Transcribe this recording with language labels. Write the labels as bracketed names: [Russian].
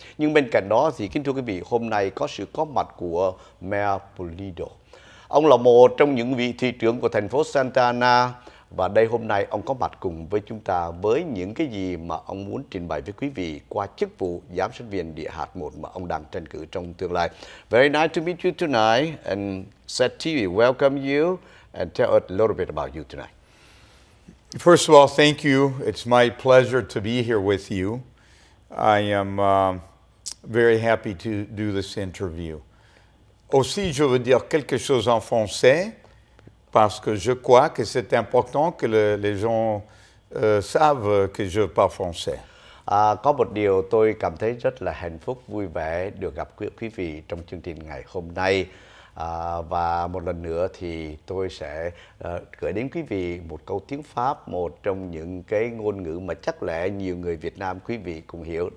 [Vietnamese] Nhưng bên cạnh đó thì kính thưa quý vị, hôm nay có sự có mặt của Mayor Pulido. Ông là một trong những vị thị trưởng của thành phố Santa Ana, và đây hôm nay ông có mặt cùng với chúng ta với những cái gì mà ông muốn trình bày với quý vị qua chức vụ giám sát viên địa hạt 1 mà ông đang tranh cử trong tương lai. [English] Very nice to meet you tonight, and Seth TV welcome you and tell us a little bit about you tonight. First of all, thank you. It's my pleasure to be here with you. I am very happy to do this interview. [French] Aussi, je veux dire quelque chose en français. Parce que je crois que c'est important que les gens savent que je parle français. [Vietnamese] À, có một điều tôi cảm thấy rất là hạnh phúc, vui vẻ được gặp quý vị trong chương trình ngày hôm nay. Và một lần nữa thì tôi sẽ gửi đến quý vị một câu tiếng Pháp, một trong những cái ngôn ngữ mà chắc lẽ nhiều người Việt Nam quý vị cũng hiểu.